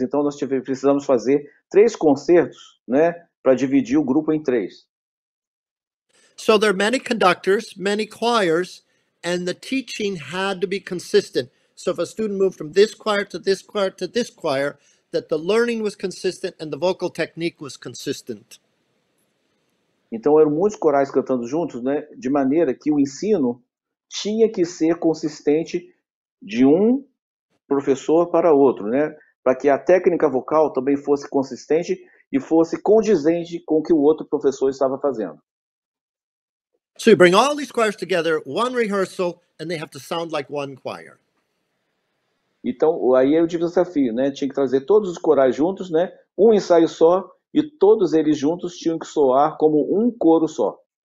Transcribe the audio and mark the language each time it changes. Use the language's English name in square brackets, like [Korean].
[Portuguese] Então, nós precisamos fazer 3 concertos, né, para dividir o grupo em 3. [English] So there are many conductors, many choirs, and the teaching had to be consistent. So if a student moved from this choir to this choir to this choir, that the learning was consistent and the vocal technique was consistent. [Portuguese] Então eram muitos corais cantando juntos, né? De maneira que o ensino tinha que ser consistente de um professor para outro, né? Para que a técnica vocal também fosse consistente e fosse condizente com o que o outro professor estava fazendo. [English] So you bring all these choirs together, one rehearsal, and they have to sound like one choir. [Portuguese] Então, aí eu tive o desafio, né? Tinha que trazer todos os corais juntos, né? Um ensaio só, e todos eles juntos tinham que soar como um coro só.